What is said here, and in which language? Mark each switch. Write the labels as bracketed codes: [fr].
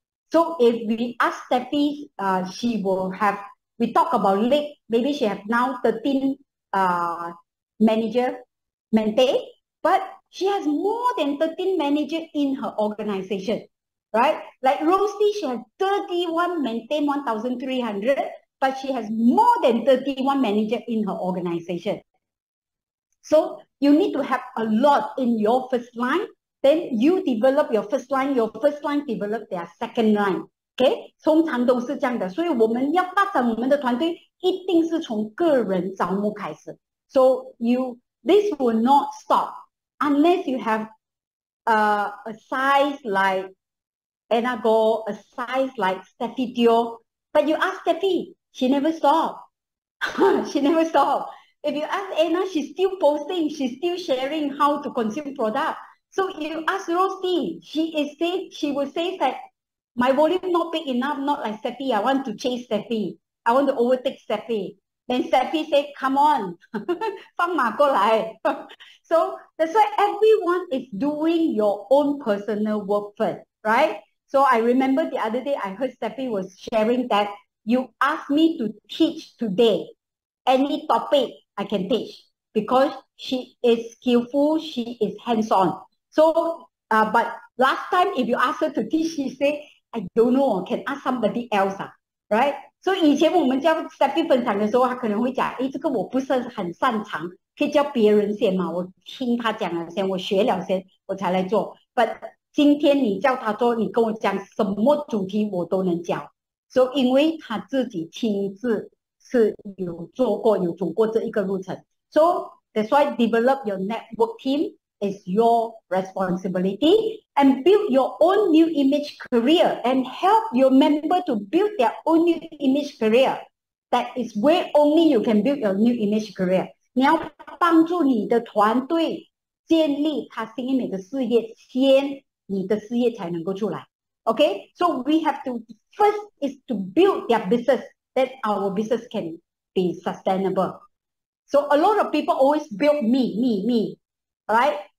[en] So if we ask Steffi, she will have, we talk about late, maybe she has now 13 manager mentee, but she has more than 13 manager in her organization, right? Like Rosie, she has 31 mentee, 1,300, but she has more than 31 manager in her organization. So you need to have a lot in your first line. Then you develop your first line. Your first line develop their second line. [zh] Okay, 通常都是这样的。所以我们要发展我们的团队，一定是从个人招募开始。 [en] So you, this will not stop unless you have a size like Anna Go, a size like Steffi Teo. But you ask Steffi, she never stop. She never stop. If you ask Anna, she's still posting, she's still sharing how to consume product. So if you ask Rosti, she will say that my volume not big enough, not like Steffi. I want to chase Steffi. I want to overtake Steffi. Then Steffi say, come on, [zh] 放马过来. [en] So that's why everyone is doing your own personal work first, right? So I remember the other day, I heard Steffi was sharing that you asked me to teach today. Any topic I can teach because she is skillful, she is hands-on. So, but last time, if you ask her to teach, she say, I don't know, can ask somebody else, right? [zh] So 以前我们叫 Steffi 分享的时候，他可能会讲，哎，这个我不是很擅长，可以叫别人先嘛，我听他讲了先，我学了先，我才来做。 But 今天你叫他做，你跟我讲什么主题我都能教。 So 因为他自己亲自是有做过，有走过这一个路程。 [en] So that's why develop your network team is your responsibility and build your own new image career and help your member to build their own new image career. That is where only you can build your new image career. [zh] 你要帮助你的团队建立他心里面的事业，先你的事业才能够出来。 [en] Okay, so we have to first is to build their business, that our business can be sustainable. So a lot of people always build me, right?